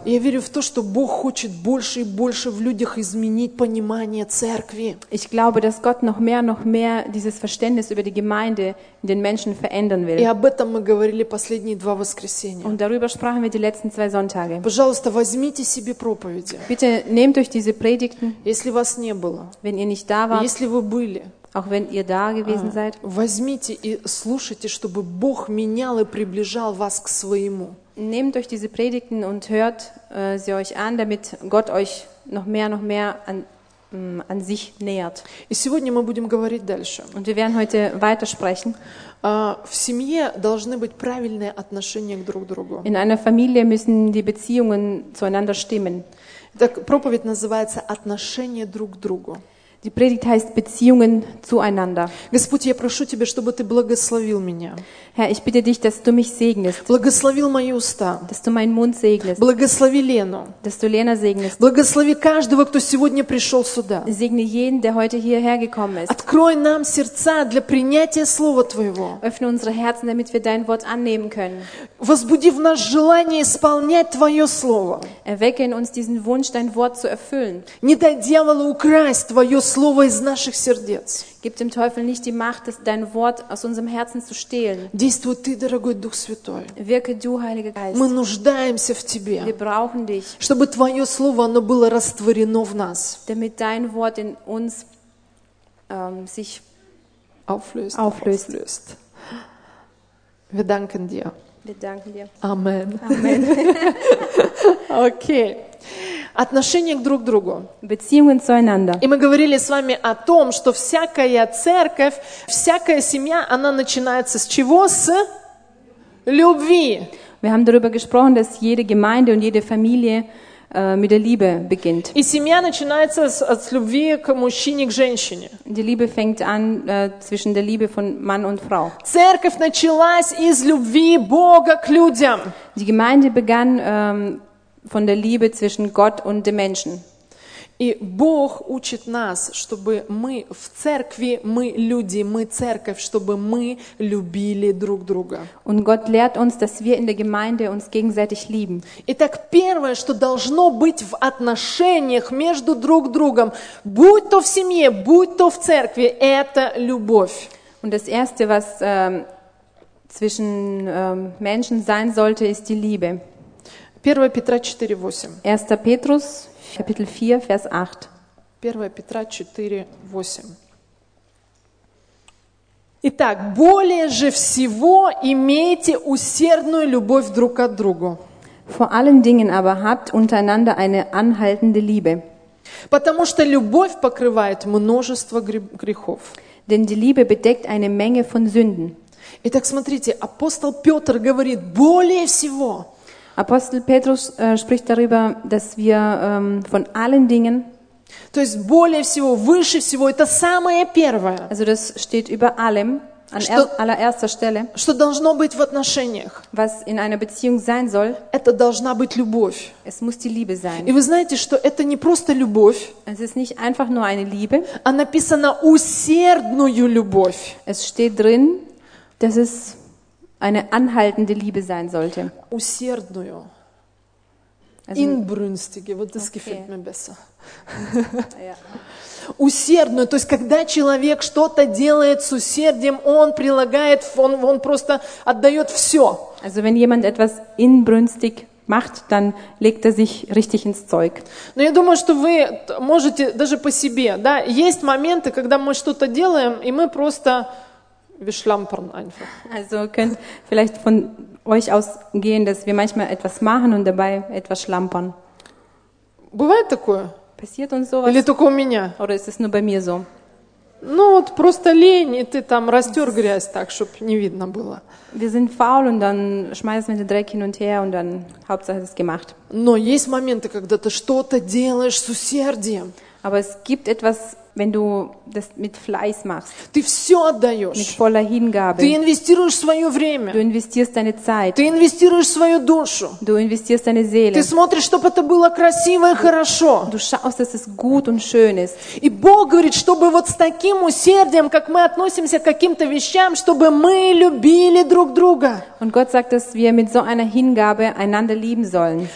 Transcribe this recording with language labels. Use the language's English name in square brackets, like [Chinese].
[Russian] Я верю в то, что Бог хочет больше и больше в людях изменить понимание церкви. [German] Ich glaube, dass Gott noch mehr dieses Verständnis über die Gemeinde in den Menschen verändern will. [Russian] И об этом мы говорили последние два воскресенья. [German] Und darüber sprachen wir die letzten zwei Sonntage. [Russian] Пожалуйста, возьмите себе проповеди. [German] Bitte nehmt euch diese Predigten. [Russian] Если вас не было. [German] Wenn ihr nicht da wart. [Russian] Если вы были. [German] Auch wenn ihr da gewesen seid. [Russian] Возьмите и слушайте, чтобы Бог менял и приближал вас к своему. [German] Nehmt euch diese Predigten und hört sie euch an, damit Gott euch noch mehr an sich nähert. [Russian] И сегодня мы будем говорить дальше. [German] Und wir werden heute weitersprechen. [Russian] В семье должны быть правильные отношения друг к другу. [German] In einer Familie müssen die Beziehungen zueinander stimmen. [Russian] Так, проповедь называется «Отношения друг к другу». [German] Die Predigt heißt Beziehungen zueinander. [Russian] Господь, я прошу тебя, чтобы ты благословил меня. [German] Herr, ich bitte dich, dass du mich segnest. [Russian] Благословил мои уста. [German] Dass du meinen Mund segnest. [Russian] Благослови Лену. [German] Dass du Lena segnest. [Russian] Благослови каждого, кто сегодня пришел сюда. [German] Segne jeden, der heute hierher gekommen ist. [Russian] Открой нам сердца для принятия слова твоего. [German] Öffne unsere Herzen, damit wir dein Wort annehmen können. [Russian] Возбуди в нас желание исполнять твое слово. [German] Erwecke in uns diesen Wunsch, dein Wort zu erfüllen. [Russian] Не дай дьяволу украсть твое Слово из наших сердец. [German] Gib dem Teufel nicht die Macht, dein Wort aus unserem Herzen zu stehlen. [Russian] Действуй ты, дорогой Дух Святой. [German] Wirke du, Heiliger Geist. [Russian] Мы нуждаемся в тебе. [German] Wir brauchen dich. [Russian] Чтобы твое слово оно было растворено в нас. [German] Damit dein Wort in uns sich auflöst. Auflöst. Wir danken dir. Wir danken dir. Amen. Amen. [Russian] Okay. Отношения друг к другу. [German] Beziehungen zueinander. [Russian] И мы говорили с вами о том, что всякая церковь, всякая семья, она начинается с чего? С любви. [German] Wir haben darüber gesprochen, dass jede Gemeinde und jede Familie mit der Liebe beginnt. [Russian] И семья начинается с любви к мужчине, к женщине. [German] Die Liebe fängt an zwischen der Liebe von Mann und Frau. [Russian] Церковь началась из любви Бога к людям. [German] Die Gemeinde begann von der Liebe zwischen Gott und dem Menschen. [Russian] И Бог учит нас, чтобы мы в церкви, мы люди, мы церковь, чтобы мы любили друг друга. [German] Und Gott lehrt uns, dass wir in der Gemeinde uns gegenseitig lieben. [Russian] Итак, первое, что должно быть в отношениях между друг другом, будь то в семье, будь то в церкви, это любовь. [German] Und das erste, was zwischen Menschen sein sollte, ist die Liebe. [Russian] 1. Петра 4:8. [German] 1. Petrus, Kapitel 4, Vers 8. [Russian] 1. Петра 4:8. Итак, более же всего имейте усердную любовь друг к другу. [German] Vor allen Dingen aber habt untereinander eine anhaltende Liebe. [Russian] Потому что любовь покрывает множество грехов. [German] Denn die Liebe bedeckt eine Menge von Sünden. [Russian] Итак, смотрите, апостол Петр говорит: более всего. [German] Apostel Petrus spricht darüber, dass wir von allen Dingen, [Russian] то есть более всего, выше всего, это самое первое. [German] Also das steht über allem. allererster Stelle, [Russian] что должно быть в отношениях, [German] was in einer Beziehung sein soll, [Russian] это должна быть любовь. [German] Es muss die Liebe sein. [Russian] И вы знаете, что это не просто любовь, [German] es ist nicht einfach nur eine Liebe, [Russian] а написано усердную любовь. [German] Es steht drin, dass es eine anhaltende Liebe sein sollte. [Russian] Усердную. [German] Inbrünstige, вот das gefällt mir besser. [Russian] Усердную, то есть когда человек что-то делает с усердием, он прилагает, он просто отдает все. [German] Also wenn jemand etwas inbrünstig macht, dann legt sich richtig ins Zeug. [Russian] Но я думаю, что вы можете даже по себе, да, есть моменты, когда мы что-то делаем, и мы просто [German] wir schlampern einfach. Also könnt vielleicht von euch ausgehen, dass wir manchmal etwas machen und dabei etwas schlampern. [Russian] Бывает такое? [German] Passiert uns sowas? [Russian] Или только у меня? [German] Oder ist es nur bei mir so? [Russian] Ну вот просто лень, и ты там растер грязь так, чтобы не видно было. [German] Wir sind faul und dann schmeißen wir den Dreck hin und her und dann Hauptsache ist gemacht. [Russian] Но есть моменты, когда ты что-то делаешь с усердием. [German] Aber es gibt etwas, wenn du das mit Fleiß machst. [Russian] Ты все отдаешь. [German] Mit voller Hingabe. [Russian] Ты инвестируешь свое время. [German] Du investierst deine Zeit. [Russian] Ты инвестируешь свою душу. [German] Du investierst deine Seele. [Russian] Ты смотришь, чтобы это было красиво и хорошо. [German] Du schaust, dass es gut und schön ist. [Russian] И Бог говорит, чтобы вот с таким усердием, как мы относимся к каким-то вещам, чтобы мы любили друг друга. [German] Und Gott sagt, dass wir mit so einer Hingabe einander lieben sollen.